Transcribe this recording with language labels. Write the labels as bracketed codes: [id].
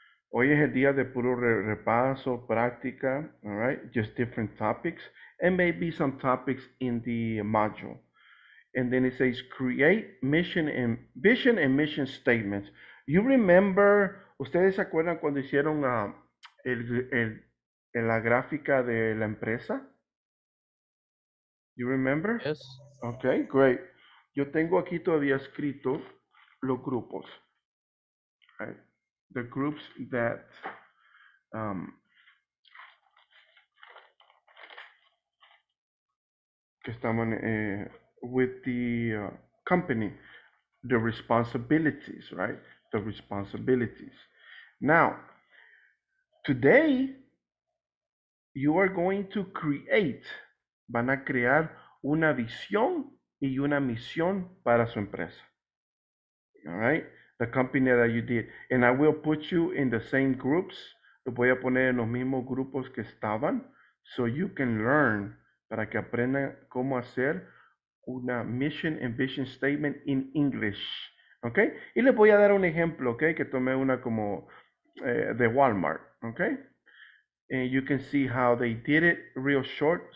[es] Hoy es el día de puro repaso, práctica, [en] all right? Just different topics. And maybe some topics in the module. And then it says create mission and vision and mission statements. You remember, [es] ¿ustedes se acuerdan cuando hicieron la gráfica de la empresa? You remember? [en] Yes. Okay, great. [es] Yo tengo aquí todavía escrito los grupos. Right. [en] The groups that [es] que estaban [en] with the company, the responsibilities, right? The responsibilities. Now, today you are going to create. [es] Van a crear una visión y una misión para su empresa. [en] All right? The company that you did. And I will put you in the same groups. [es] Lo voy a poner en los mismos grupos que estaban. [en] So you can learn. [es] Para que aprendan cómo hacer una [en] mission and vision statement in English. Okay? [es] Y les voy a dar un ejemplo, okay? Que tomé una como de Walmart. Okay? [en] And you can see how they did it real short.